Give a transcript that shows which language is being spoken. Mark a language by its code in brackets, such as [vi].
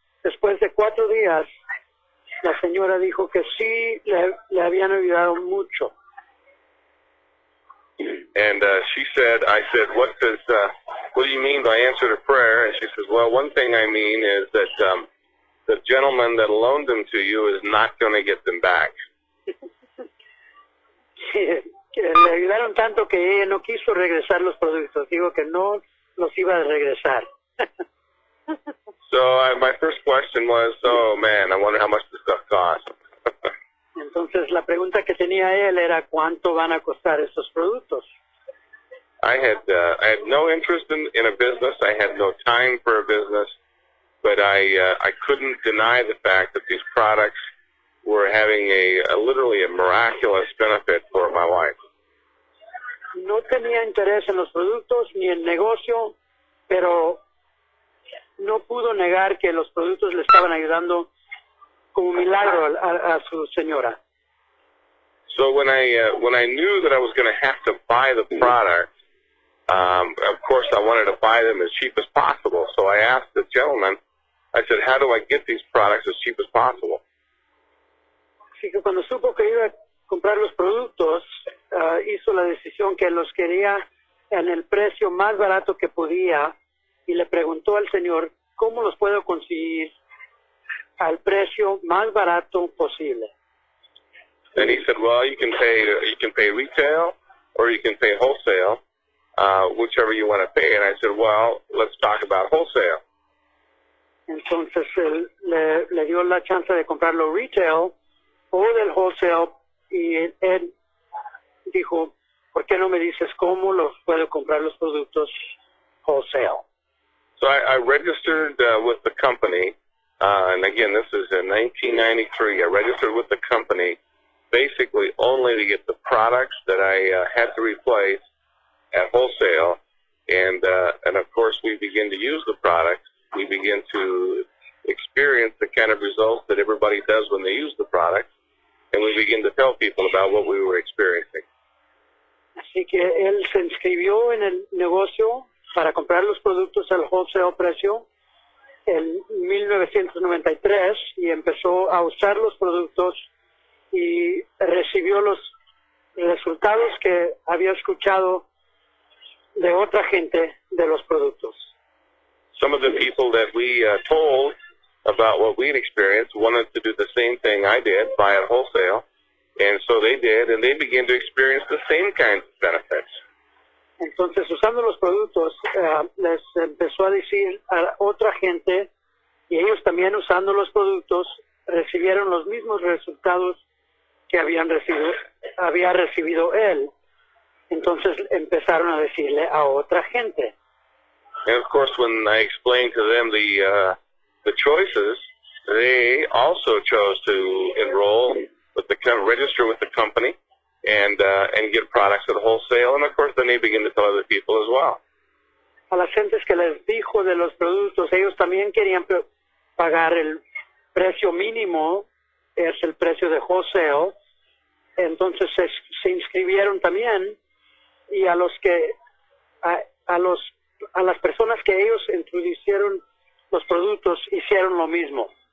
[es] Después de 4 días, la señora dijo que sí le habían ayudado mucho. [en] And she said, I said, what do you mean by answer to prayer? And she says, well, one thing I mean is that the gentleman that loaned them to you is not going to get them back. [es] Le ayudaron tanto que ella no quiso regresar los productos. Digo que no los iba a regresar. [en] So my first question was, oh man, I wonder how much this stuff costs. [es] Entonces la pregunta que tenía él era cuánto van a costar estos productos. [en] I had no interest in a business. I had no time for a business, but I couldn't deny the fact that these products were having a literally a miraculous benefit for my wife. [es] No tenía interés en los productos ni en negocio, pero no pudo negar que los productos le estaban ayudando como milagro a su señora. [en] So when I knew that I was going to have to buy the product, of course I wanted to buy them as cheap as possible. So I asked the gentleman, I said, how do I get these products as cheap as possible? [es] Así que cuando supo que iba a comprar los productos, hizo la decisión que los quería en el precio más barato que podía y le preguntó al señor, ¿cómo los puedo conseguir al precio más barato posible? [en] And he said, well, you can pay retail or you can pay wholesale, whichever you want to pay. And I said, well, let's talk about wholesale. [es] Entonces él le dio la chance de comprarlo retail o del wholesale, y él dijo, ¿por qué no me dices cómo los puedo comprar los productos wholesale? [en] So I registered with the company, and again, this is in 1993. I registered with the company basically only to get the products that I had to replace at wholesale, and of course, we begin to use the products. We begin to experience the kind of results that everybody does when they use the product, and we begin to tell people about what we were experiencing. [es] Así que él se inscribió en el negocio para comprar los productos al wholesale precio en 1993 y empezó a usar los productos y recibió los resultados que había escuchado de otra gente de los productos. [en] Some of the people that we told about what we'd experienced wanted to do the same thing I did, buy it wholesale, and so they did, and they began to experience the same kinds of benefits. [es] Entonces, usando los productos, les empezó a decir a otra gente, y ellos también usando los productos, recibieron los mismos resultados que había recibido él. Entonces, empezaron a decirle a otra gente. [en] And of course, when I explained to them the choices, they also chose to enroll with the register with the company and get products at wholesale. And of course, then they begin to tell other people as well. [es] A las gentes que les dijo de los productos, ellos también querían pagar el precio mínimo, es el precio de wholesale. Entonces se inscribieron también y a las personas que ellos introducieron los productos hicieron lo mismo.